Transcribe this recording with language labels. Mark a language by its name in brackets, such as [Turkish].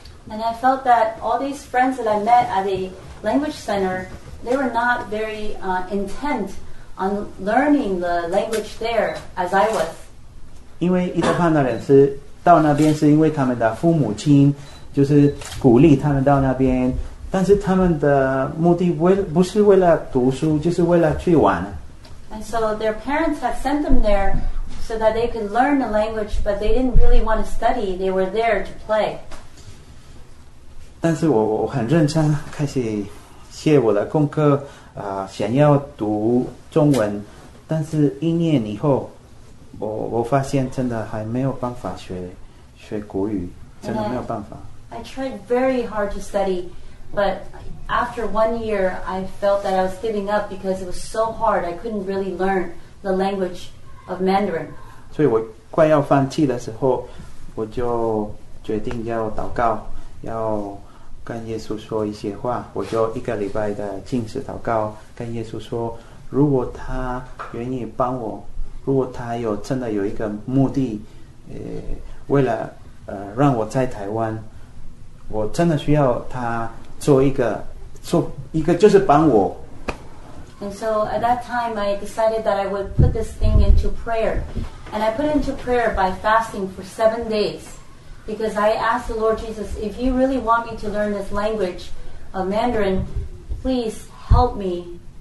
[English] And I felt that all these friends that I met at the language center, they were not very intent. On learning the language there, as I was. [Chinese] 因为伊德潘的人是到那边是因为他们的父母亲就是鼓励他们到那边，但是他们的目的不是为了读书，就是为了去玩。 [English] And so their parents had sent them there so that they could learn the language, but they didn't really want to study. They were there to play. [Chinese] 但是我很认真开始写我的功课。想要读中文但是一年以后 我发现真的还没有办法学国语真的没有办法 [English] I tried very hard to study but after 1 year I felt that I was giving up because it was so hard I couldn't really learn the language of Mandarin [Chinese] 所以我快要放弃的时候我就决定要祷告要跟耶稣说一些话我就一个礼拜的禁食祷告跟耶稣说如果他愿意帮我如果他有真的有一个目的为了让我在台湾我真的需要他做一个就是帮我 [English] And so at that time I decided that I would put this thing into prayer And I put it into prayer by fasting for 7 days Because I asked the Lord Jesus, if you really want me to learn this language of Mandarin, please help me.